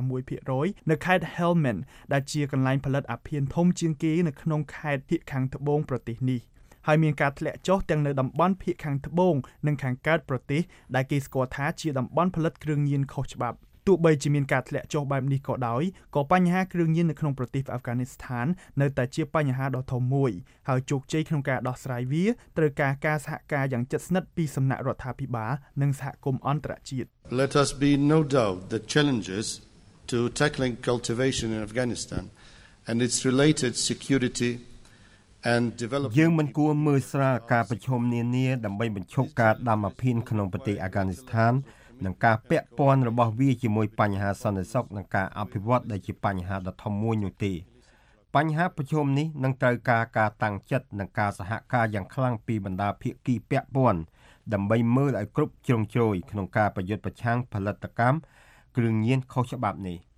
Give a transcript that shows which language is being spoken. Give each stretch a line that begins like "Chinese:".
Khmer: 16% នៅខេត្ត Helmand ដែលជាកន្លែងផលិតអាភៀនធំជាងគេនៅក្នុងខេត្តភាគខាងត្បូងប្រទេសនេះហើយមានការធ្លាក់ចុះទាំងនៅតំបន់ភាគខាងត្បូងនិងខាងកើតប្រទេសដែលគេស្គាល់ថាជាតំបន់ផលិតគ្រឿងញៀនខុសច្បាប់ទោះបីជាមានការធ្លាក់ចុះបែបនេះក៏ដោយក៏បញ្ហាគ្រឿងញៀននៅក្នុងប្រទេសអាហ្វហ្គានីស្ថាននៅតែជាបញ្ហាដ៏ធំមួយហើយជោគជ័យក្នុងការដោះស្រាយវាត្រូវការការសហការយ៉ាងជិតស្និទ្ធពីសំណាក់រដ្ឋាភិបាលនិងសហគមន៍អន្តរជាតិ
English: Let us be no doubt the challenges to tackling cultivation in Afghanistan and its related security
Khmer: យើងមិនគួរមើលស្រាលការប្រឈមនានាដើម្បីបញ្ឈប់ការដាំអាភៀនក្នុងប្រទេសអាហ្គានីស្ថាននិងការពាក់ព័ន្ធរបស់វាជាមួយបញ្ហាសន្តិសុខនិងការអភិវឌ្ឍដែលជាបញ្ហាដ៏ធំមួយនោះទេបញ្ហាប្រឈមនេះនឹងត្រូវការការតាំងចិត្តនិងការសហការយ៉ាងខ្លាំងពីបណ្ដាភាគីពាក់ព័ន្ធដើម្បីមើលឲ្យគ្រប់ជ្រុងជ្រោយក្នុងការប្រយុទ្ធប្រឆាំងផលិតកម្មគ្រឿងញៀនខុសច្បាប់នេះ